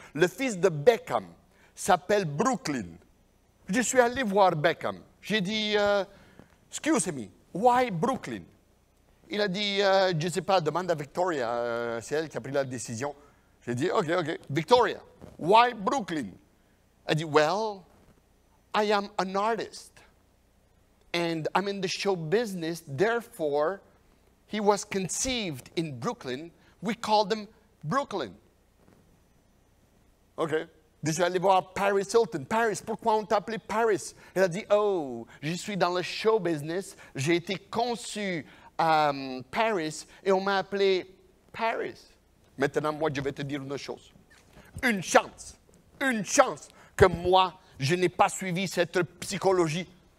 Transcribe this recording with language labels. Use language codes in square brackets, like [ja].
[fr] Le fils de Beckham s'appelle Brooklyn. Je suis allé voir Beckham. J'ai dit, [en] excuse me, why Brooklyn? [fr] Il a dit, je ne sais pas, demande à Victoria, c'est elle qui a pris la décision. J'ai dit, [en] ok, ok, Victoria, why Brooklyn? [fr] Elle a dit, [en] well, I am an artist. And I'm in the show business, therefore, he was conceived in Brooklyn. We call them Brooklyn. Okay. [fr] Je suis allé voir Paris Hilton. Paris, pourquoi on t'appelait Paris? Elle a dit, oh, je suis dans le show business. J'ai été conçu à Paris et on m'a appelé Paris. Maintenant, moi, je vais te dire une chose. Une chance que moi, je n'ai pas suivi cette psychologie.